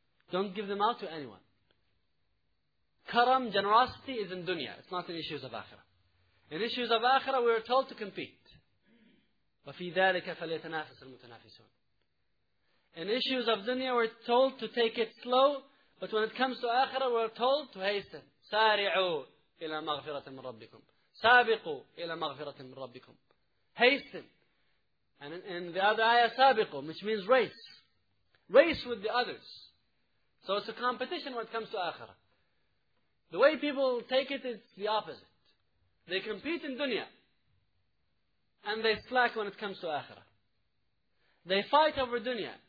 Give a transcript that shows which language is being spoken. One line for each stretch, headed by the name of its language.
English: Don't give them out to anyone. Karam, generosity, is in dunya. It's not in issues of akhirah. In issues of akhirah, we are told to compete.
Arabic: وَفِي ذَلِكَ فَلْيَتَنَافِسَ الْمُتَنَافِسُونَ
English: In issues of dunya, we're told to take it slow. But when it comes to akhirah, we're told to hasten.
Arabic: سَارِعُوا إِلَى مَغْفِرَةٍ مِنْ رَبِّكُمْ سَابِقُوا إِلَى مَغْفِرَةٍ مِنْ رَبِّكُمْ
English: Hasten. And in the other ayah, سَابِقُوا, which means race. Race with the others. So it's a competition when it comes to akhirah. The way people take it, it's the opposite. They compete in dunya. And they slack when it comes to akhirah. They fight over dunya.